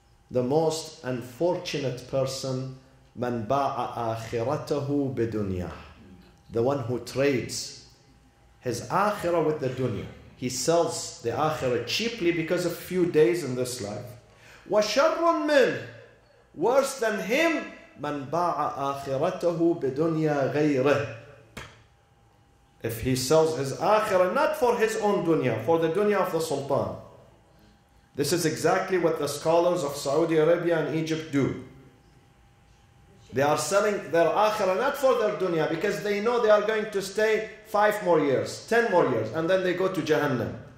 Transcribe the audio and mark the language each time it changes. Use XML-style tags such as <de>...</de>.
<en>The most unfortunate person.</en> <ar>مَنْ بَاعَ آخِرَتَهُ بِدُنْيَاهُ.</ar> <en>The one who trades his akhirah with the dunya. He sells the akhirah cheaply because of a few days in this life.</en> <ar>وَشَرٌ مِنْ.</ar> <en>Worse than him,</en> <ar>مَنْ بَاعَ آخِرَتَهُ بِدُنْيَا غَيْرِهِ.</ar> <en>If he sells his akhirah, not for his own dunya, for the dunya of the sultan. This is exactly what the scholars of Saudi Arabia and Egypt do. They are selling their akhirah not for their dunya, because they know they are going to stay 5 more years, 10 more years, and then they go to Jahannam.</en>